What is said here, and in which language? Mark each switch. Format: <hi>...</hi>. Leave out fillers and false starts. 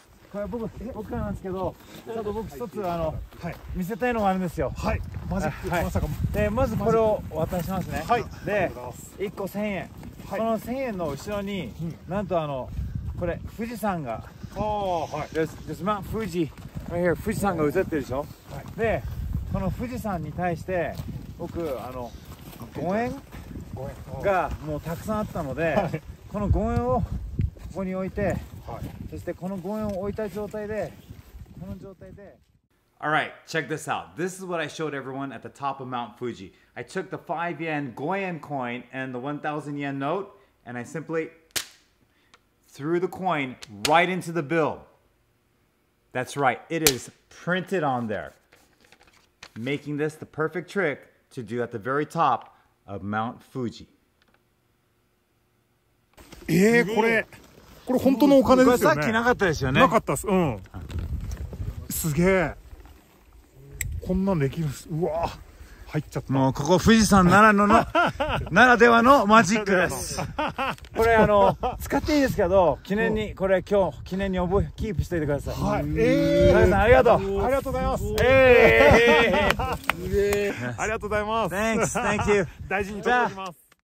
<ja>これ僕なんですけど、ちょっと僕一つ見せたいのがあるんですよ。マジか。で、まずこれを渡しますね。で、1個1000円。この1000円の後ろになんと、 これ富士山が、はい、</ja> <en>there's Mount Fuji right here。</en> <ja>富士山が映ってるでしょ。はい、で、この富士山に対して僕5円がもうたくさんあったので、はい、この5円をここに置いて、はい、そしてこの5円を置いた状態で</ja> <en>All right, check this out. This is what I showed everyone at the top of Mount Fuji. I took the 5 yen Goyen coin and the 1,000 yen note, and I simply threw the coin right into the bill. That's right, it is printed on there, making this the perfect trick to do at the very top of Mount Fuji.</en> <ja>これ本当のお金ですよね。なかったっす。すげえ。こんなできます。うわ、入っちゃった。もうここ富士山ならではのマジックです。これ使っていいですけど、記念にこれ今日記念に覚えキープしておいてください。ありがとう。ありがとうございます。ありがとうございます。</ja> <en>Thanks。Thank you。</en> <ja>大事に取ります。</ja>